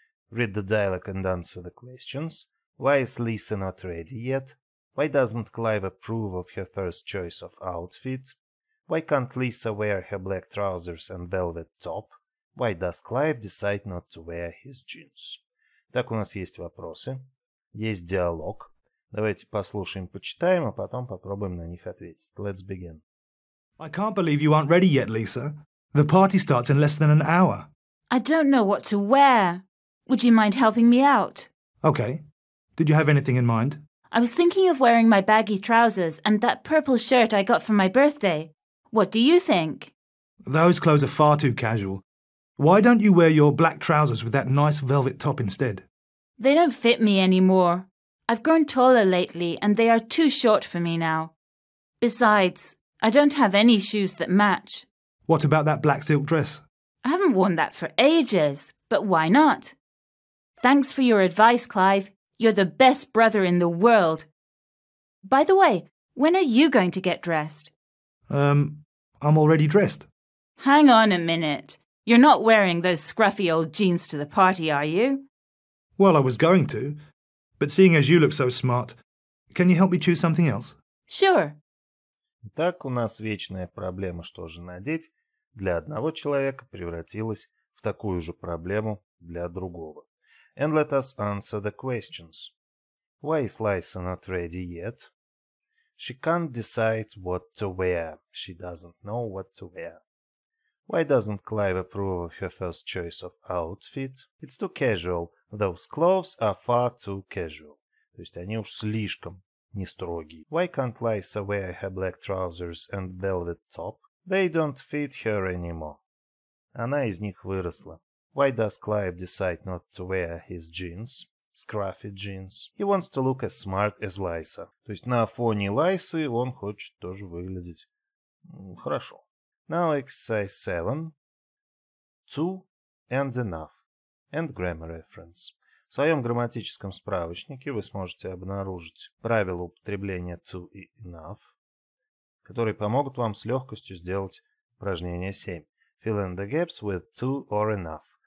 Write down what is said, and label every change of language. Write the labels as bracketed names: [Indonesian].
[English] Read the dialogue and answer the questions. Why is Lisa not ready yet? Why doesn't Clive approve of her first choice of outfit? Why can't Lisa wear her black trousers and velvet top? Why does Clive decide not to wear his jeans? [Russian] Так, у нас есть вопросы, есть диалог. Давайте послушаем, почитаем, а потом попробуем на них ответить. [English] Let's begin. I can't believe you aren't ready yet, Lisa. The party starts in less than an hour. I don't know what to wear. Would you mind helping me out? Okay. Did you have anything in mind? I was thinking of wearing my baggy trousers and that purple shirt I got for my birthday. What do you think? Those clothes are far too casual. Why don't you wear your black trousers with that nice velvet top instead? They don't fit me anymore. I've grown taller lately and they are too short for me now. Besides, I don't have any shoes that match. What about that black silk dress? I haven't worn that for ages, but why not? Thanks for your advice, Clive. You're the best brother in the world. By the way, when are you going to get dressed? I'm already dressed. Hang on a minute. You're not wearing those scruffy old jeans to the party, are you? Well, I was going to, but seeing as you look so smart, can you help me choose something else? Sure. [Russian] Итак, у нас вечная проблема, что же надеть, для одного человека превратилась в такую же проблему для другого. [English] And let us answer the questions. Why is Lisa not ready yet? She can't decide what to wear. She doesn't know what to wear. Why doesn't Clive approve of her first choice of outfit? It's too casual. Those clothes are far too casual. [Russian] То есть они уж слишком не строгие. [English] Why can't Lisa wear her black trousers and velvet top? They don't fit her anymore. [Russian] Она из них выросла. [English] Why does Clive decide not to wear his jeans? Scruffy jeans. He wants to look as smart as Lisa. [Russian] То есть на фоне Лайсы он хочет тоже выглядеть хорошо. [English] Now exercise 7. 2 and enough. And grammar reference. [Russian] В своем грамматическом справочнике вы сможете обнаружить правила употребления to и enough, которые помогут вам с легкостью сделать упражнение 7. [English] Fill in the gaps with to or enough.